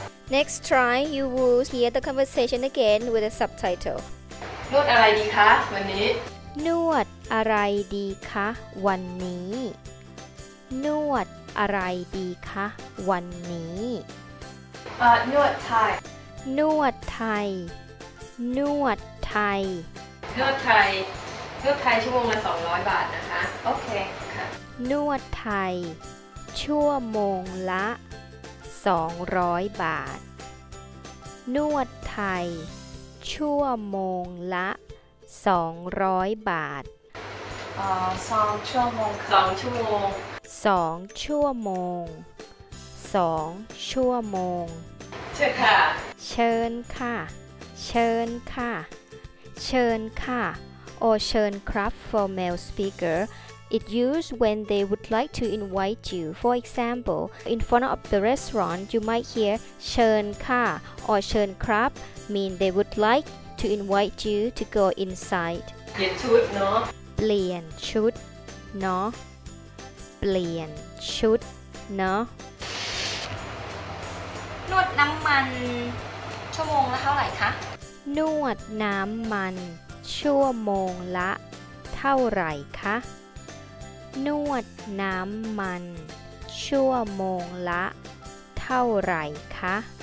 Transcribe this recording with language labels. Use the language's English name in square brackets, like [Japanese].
[English] Next try, you will hear the conversation again with a subtitle. [Thai] นวดอะไรดีคะวันนี้นวดอะไรดีคะวันนี้นวดอะไรดีคะวันนี้นวดไทย นวดไทยนวดไทย นวดไทยนวดไทยชั่วโมงละ200บาทนะคะ โอเค นวดไทยชั่วโมงละ200บาทนวดไทยชั่วโมงละ200บาท 2ชั่วโมง 2ชั่วโมง 2ชั่วโมง2ชั่วโมง เชิญค่ะ เชิญค่ะเชิญค่ะเชิญค่ะ [English] or [Thai] เชิญครับ [English] for male speakerIt used when they would like to invite you. For example, in front of the restaurant, you might hear "Chen Ka" or "Chen Krab," mean they would like to invite you to go inside. [Thai] เปลี่ยนชุดเนาะ เปลี่ยนชุดเนาะ เปลี่ยนชุดเนาะ นวดน้ำมันชั่วโมงละเท่าไหร่คะ นวดน้ำมันชั่วโมงละเท่าไหร่คะนวดน้ำมันชั่วโมงละเท่าไหร่คะ